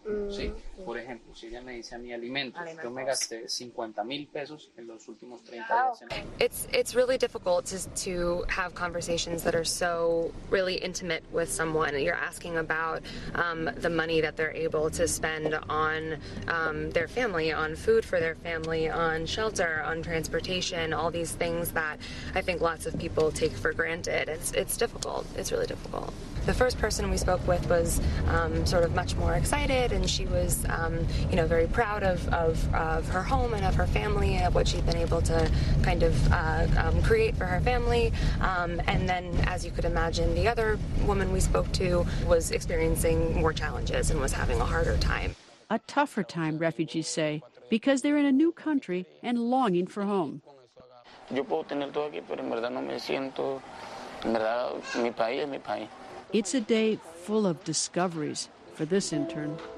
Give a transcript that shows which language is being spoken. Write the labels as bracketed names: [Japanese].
[Spanish] Sí, por ejemplo, si ella me dice a mi alimentos, yo me gasté 50,000 pesos en los últimos 30 días. [English] It's really difficult to have conversations that are so really intimate with someone. You're asking about the money that they're able to spend on their family, on food for their family, on shelter, on transportation, all these things that I think lots of people take for granted. It's difficult. It's really difficult. The first person we spoke with was sort of much more excited, and she was, you know, very proud of her home and of her family and of what she'd been able to kind of create for her family. And then, as you could imagine, the other woman we spoke to was experiencing more challenges and was having a harder time. A tougher time, refugees say, because they're in a new country and longing for home. [Spanish] Yo puedo tener todo aquí, pero en verdad no me siento, en verdad, mi país es mi país. [English] It's a day full of discoveries for this intern.